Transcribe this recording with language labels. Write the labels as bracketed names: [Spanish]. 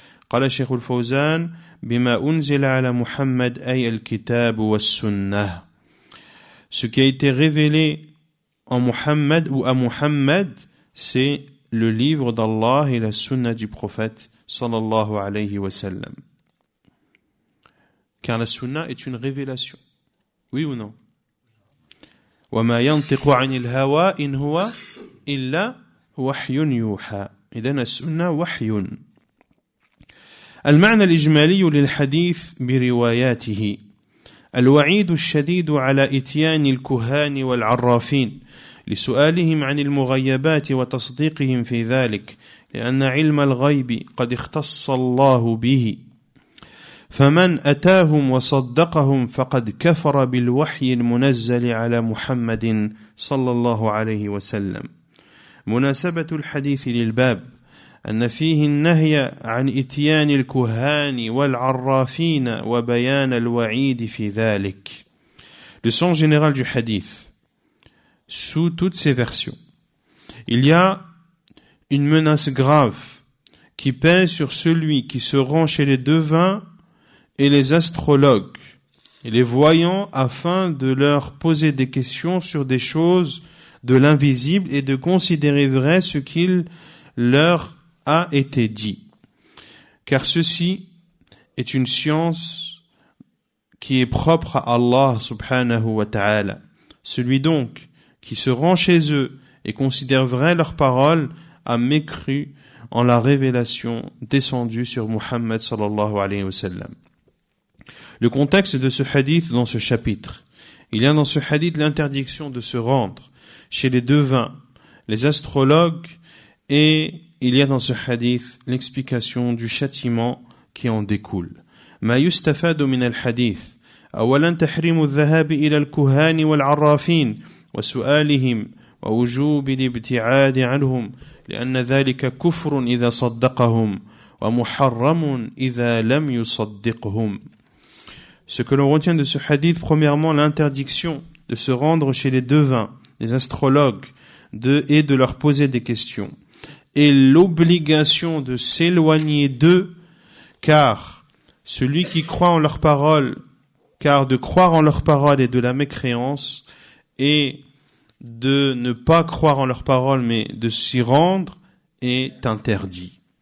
[Arabic] قال الشيخ الفوزان بما أنزل على محمد أي الكتاب والسنة. [French] Ce qui a été révélé en Muhammad ou à Muhammad, c'est le livre d'Allah et la sunna du prophète sallallahu alayhi wa sallam. Car la sunna est une révélation. Oui ou non? [Arabic] وما ينطق عن الهوى إن هو إلا وحي يوحى. إذن السنة وحي. المعنى الإجمالي للحديث برواياته الوعيد الشديد على إتيان الكهان والعرافين لسؤالهم عن المغيبات وتصديقهم في ذلك لأن علم الغيب قد اختص الله به فمن أتاهم وصدقهم فقد كفر بالوحي المنزل على محمد صلى الله عليه وسلم مناسبة الحديث للباب أن فيه النهي عن إتيان الكهان والعرافين وبيان الوعيد في ذلك. [French] Le sens général du hadith, sous toutes ses versions, il y a une menace grave qui pèse sur celui qui se rend chez les devins et les astrologues et les voyants afin de leur poser des questions sur des choses de l'invisible et de considérer vrai ce qu'il leur a été dit, car ceci est une science qui est propre à Allah subhanahu wa ta'ala. Celui donc qui se rend chez eux et considère vrai leurs paroles a mécru en la révélation descendue sur Muhammad sallallahu alayhi wa sallam. Le contexte de ce hadith dans ce chapitre, il y a dans ce hadith l'interdiction de se rendre chez les devins, les astrologues et il y a dans ce hadith l'explication du châtiment qui en découle. [Arabic] ما يستفاد من الحديث أولا تحريم الذهاب إلى الكهان والعرافين وسؤالهم ووجوب الابتعاد عنهم لأن ذلك كفر إذا صدقهم ومحرم إذا لم يصدقهم. [French] Ce que l'on retient de ce hadith, premièrement l'interdiction de se rendre chez les devins, les astrologues, et de leur poser des questions. Et l'obligation de s'éloigner d'eux, car celui qui croit en leurs paroles, car de croire en leurs paroles est de la mécréance, et de ne pas croire en leurs paroles, mais de s'y rendre, est interdit.